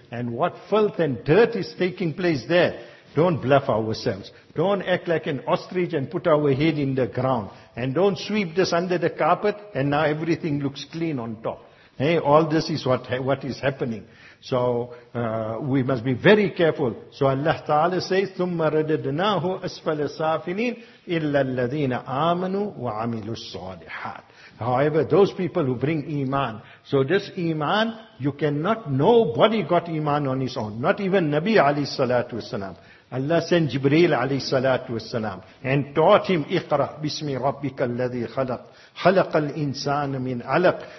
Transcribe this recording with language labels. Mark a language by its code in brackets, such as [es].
[en] And what filth and dirt is taking place there. Don't bluff ourselves. Don't act like an ostrich and put our head in the ground. And don't sweep this under the carpet and now everything looks clean on top. Hey, all this is what is happening. So we must be very careful. So Allah Ta'ala says, [ar] ثُمَّ رَدَدْنَاهُ أَسْفَلَ سَافِلِينَ إِلَّا الَّذِينَ آمَنُوا وَعَمِلُوا الصَّالِحَاتِ. [en] However, those people who bring iman. So this iman, you cannot, nobody got iman on his own. Not even Nabi alayhi salatu wasalam. Allah sent Jibreel alayhi salatu wasalam and taught him, [ar] Iqra bismi rabbika alladhi khalaq. Khalaq al-insan min alaq.